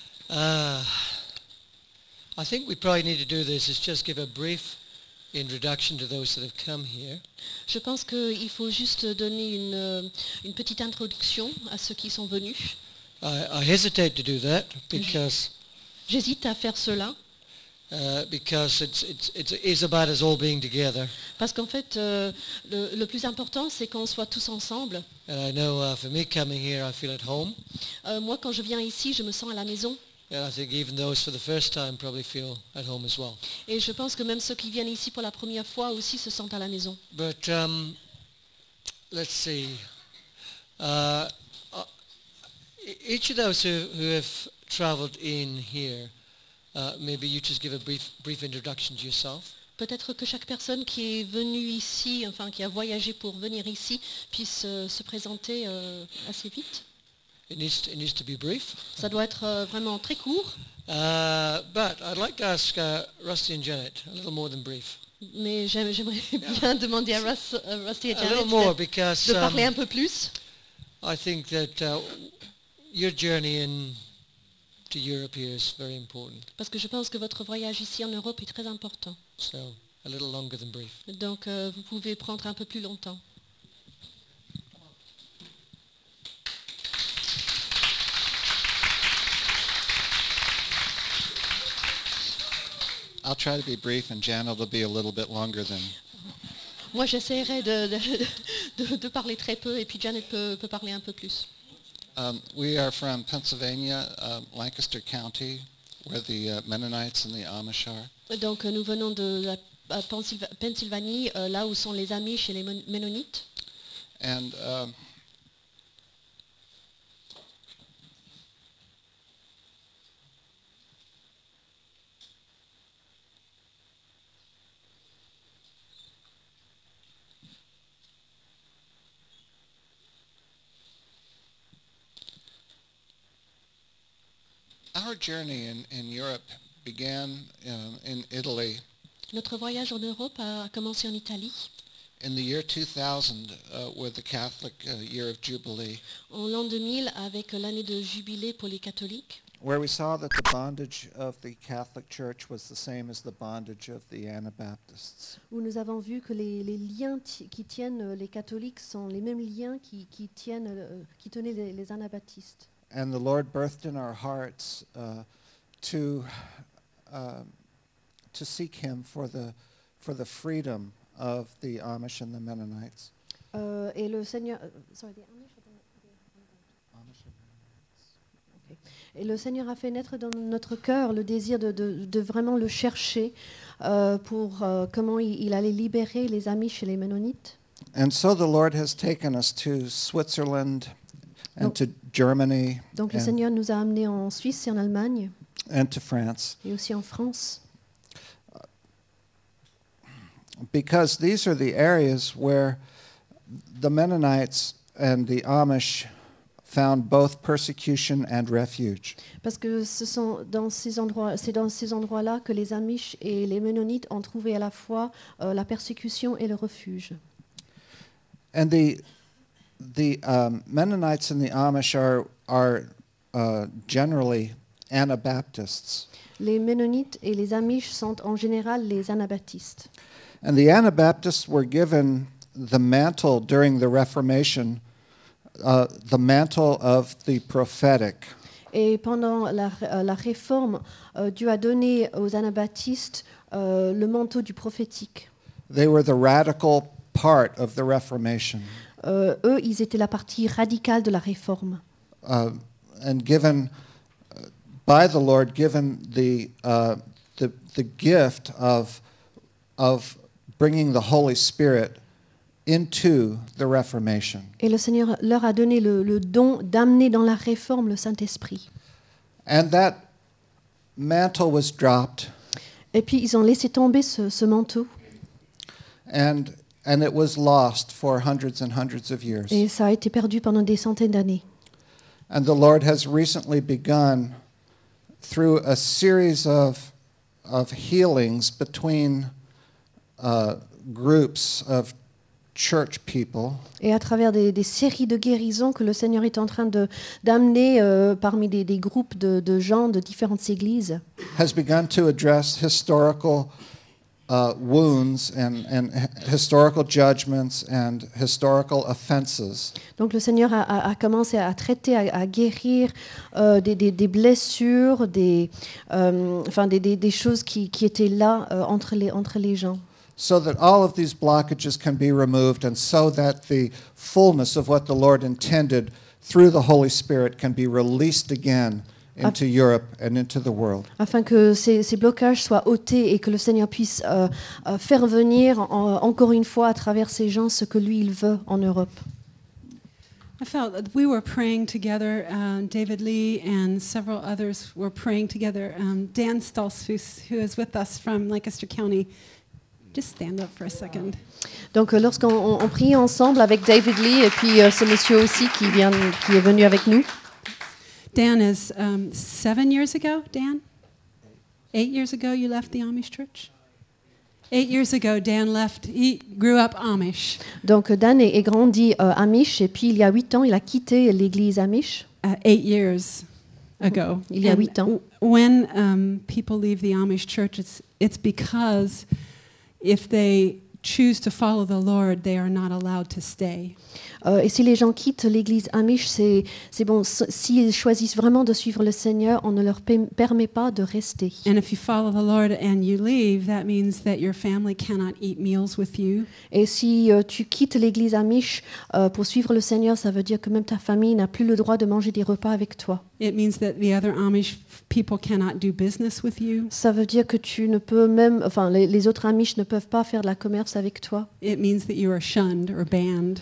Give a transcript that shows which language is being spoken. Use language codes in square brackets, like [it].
[en] I think we probably need to do this is just give a brief introduction to those that have come here. [fr] Je pense qu'il faut juste donner une petite introduction à ceux qui sont venus. [en] I hesitate to do that because [fr] j'hésite à faire cela. [en] Because it's about us all being together. [fr] Parce qu'en fait, le plus important, c'est qu'on soit tous ensemble. [en] And I know for me coming here, I feel at home. [fr] Moi, quand je viens ici, je me sens à la maison. [en] And I think even those for the first time probably feel at home as well. [fr] Et je pense que même ceux qui viennent ici pour la première fois aussi se sentent à la maison. [en] But let's see. Each of those who have traveled in here, maybe you just give a brief introduction to yourself. [fr] Peut-être que chaque personne qui est venue ici, enfin qui a voyagé pour venir ici, puisse se présenter assez vite. [en] It needs to be brief. [fr] Ça doit être vraiment très court. [en] But I'd like to ask Rusty and Janet a little more than brief. [fr] Mais j'aimerais bien demander à Rusty et Janet [en] a little more because, [fr] de parler un peu plus. [en] I think that your journey in to Europe here is very important. [fr] Parce que je pense que votre voyage ici en Europe est très important. [en] So, a little longer than brief. [fr] Donc vous pouvez prendre un peu plus longtemps. [en] I'll try to be brief and Janet will be a little bit longer than. [fr] Moi j'essaierai de parler très peu et puis Janet peut parler un peu plus. [en] We are from Pennsylvania, Lancaster County, where the Mennonites and the Amish are. [fr] Donc nous venons de la Pennsylvanie, là où sont les Amish et les Mennonites. [en] And our journey in Europe began in Italy. [fr] Notre voyage en Europe a commencé en Italie. [en] In the year 2000, with the Catholic year of Jubilee. [fr] En l'an 2000, avec l'année de jubilé pour les catholiques. [en] Where we saw that the bondage of the Catholic Church was the same as the bondage of the Anabaptists. [fr] Où nous avons vu que les liens qui tiennent les catholiques sont les mêmes liens qui tenaient les Anabaptistes. [en] And the Lord birthed in our hearts to seek Him for the freedom of the Amish and the Mennonites. [fr] Et le Seigneur, [en] sorry, the Amish or the Amish and Mennonites. Okay. [fr] Et le Seigneur a fait naître dans notre cœur le désir de vraiment le chercher pour comment il allait libérer les Amish et les Mennonites. [en] And so the Lord has taken us to Switzerland. And to Germany. [fr] Donc le Seigneur nous a amenés en Suisse et en Allemagne. [en] And to France. [fr] Et aussi en France. [en] Because these are the areas where the Mennonites and the Amish found both persecution and refuge. [fr] Parce que c'est dans ces endroits-là que les Amish et les Mennonites ont trouvé à la fois la persécution et le refuge. [en] And the Mennonites and the Amish are generally Anabaptists. [fr] Les Mennonites et les Amish sont en général les Anabaptistes. [en] And the Anabaptists were given the mantle during the Reformation, the mantle of the prophetic. [fr] Et pendant la réforme, Dieu a donné aux Anabaptistes le manteau du prophétique. [en] They were the radical part of the Reformation. [fr] Eux, ils étaient la partie radicale de la réforme. [en] And given by the Lord, given the gift of bringing the Holy Spirit into the Reformation. [fr] Et le Seigneur leur a donné le don d'amener dans la réforme le Saint-Esprit. [en] And that mantle was dropped. [fr] Et puis ils ont laissé tomber ce manteau. [en] And it was lost for hundreds and hundreds of years. [fr] Et ça a été perdu pendant des centaines d'années. [en] And the Lord has recently begun through a series of of healings between groups of church people. [fr] Et à travers des séries de guérisons que le Seigneur est en train d'amener parmi des groupes de gens de différentes églises. [en] Has begun to address historical wounds and historical judgments and historical offenses. [fr] Donc le Seigneur a commencé à traiter, à guérir des blessures, des choses qui étaient là entre les gens. [en] So that all of these blockages can be removed, and so that the fullness of what the Lord intended through the Holy Spirit can be released again into Europe and into the world. [fr] Afin que ces blocages soient ôtés et que le Seigneur puisse faire venir encore une fois à travers ces gens ce que lui il veut en Europe. [en] I felt that we were praying together, David Lee and several others were praying together. Dan Stolzfus, who is with us from Lancaster County. Just stand up for a second. [fr] Donc lorsqu'on prie ensemble avec David Lee et puis ce monsieur aussi qui est venu avec nous. [en] Dan is 7 years ago, Dan? 8 years ago you left the Amish church? 8 years ago Dan left, he grew up Amish. [fr] Donc Dan est grandi Amish et puis il y a 8 ans il a quitté l'église Amish. [en] 8 years ago. [fr] Il y a 8 ans. [en] When people leave the Amish church, it's because if they choose to follow the Lord, they are not allowed to stay. [fr] Et si les gens quittent l'église Amish, c'est bon. S'ils choisissent vraiment de suivre le Seigneur, on ne leur permet pas de rester. [en] And if you follow the Lord and you leave, that means that your family cannot eat meals with you. [fr] Et si tu quittes l'église Amish pour suivre le Seigneur, ça veut dire que même ta famille n'a plus le droit de manger des repas avec toi. [en] It means that the other Amish people cannot do business with you. [fr] Ça veut dire que tu ne peux même, enfin, les autres Amish ne peuvent pas faire de la commerce avec toi. [en] It means that you are shunned or banned.